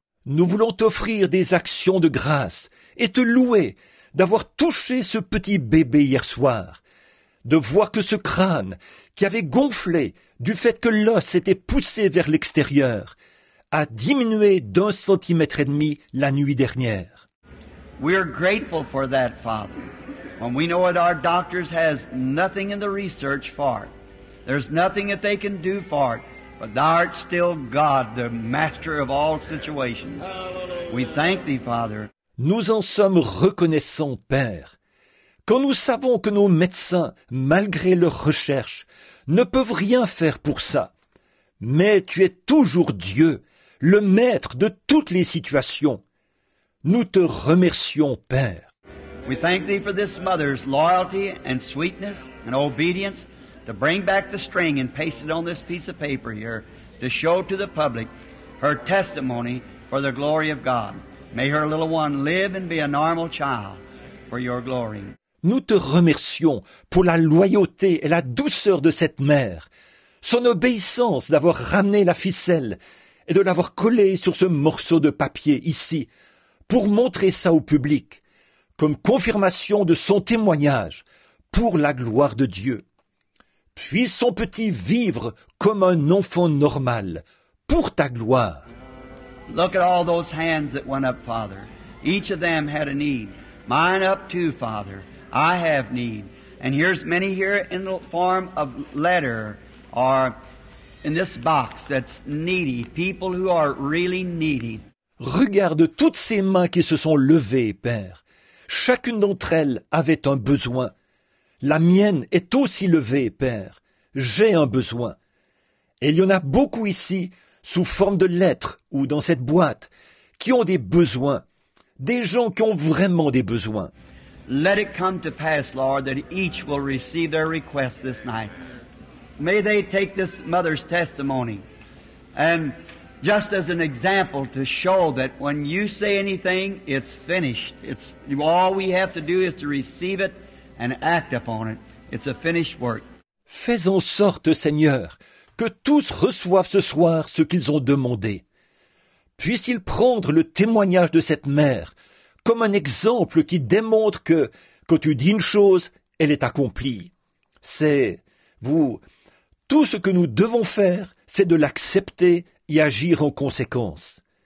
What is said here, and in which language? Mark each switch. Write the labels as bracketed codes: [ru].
[fr] Nous voulons t'offrir des actions de grâce et te louer d'avoir touché ce petit bébé hier soir, de voir que ce crâne qui avait gonflé du fait que l'os était poussé vers l'extérieur a diminué d'un centimètre et demi la nuit dernière. [en] We are grateful for that, Father. When we know that our doctors has nothing in the research for it, there's nothing that they can do for it, but thou art still God, the master of all situations. We thank thee, Father. [fr] Nous en sommes reconnaissants, Père. Quand nous savons que nos médecins, malgré leurs recherches, ne peuvent rien faire pour ça. Mais tu es toujours Dieu, le maître de toutes les situations. Nous te remercions, Père. [en] We thank thee for this mother's loyalty and sweetness and obedience to bring back the string and paste it on this piece of paper here to show to the public her testimony for the glory of God. May her little one live and be a normal child for your glory. [fr] Nous te remercions pour la loyauté et la douceur de cette mère, son obéissance d'avoir ramené la ficelle et de l'avoir collée sur ce morceau de papier ici pour montrer ça au public comme confirmation de son témoignage pour la gloire de Dieu. Puisse son petit vivre comme un enfant normal pour ta gloire. [en] Look at all those hands that went up, Father. Each of them had a need. Mine up too, Father. I have need. And here's many here in the form of letter or in this box that's needy, people who are really needy. [fr] Regarde toutes ces mains qui se sont levées, Père. Chacune d'entre elles avait un besoin. La mienne est aussi levée, Père. J'ai un besoin. Et il y en a beaucoup ici, sous forme de lettres ou dans cette boîte, qui ont des besoins, des gens qui ont vraiment des besoins. [en] Let it come to pass, Lord, that each will receive their request this night. May they take this mother's testimony, and just as an example to show that when you say anything, it's finished. It's all we have to do is to receive it and act upon it. It's a finished work. [fr] Fais en sorte, Seigneur, que tous reçoivent ce soir ce qu'ils ont demandé. Puissent-ils prendre le témoignage de cette mère comme un exemple qui démontre que, quand tu dis une chose, elle est accomplie. C'est, vous, tout ce que nous devons faire, c'est de l'accepter et agir en conséquence.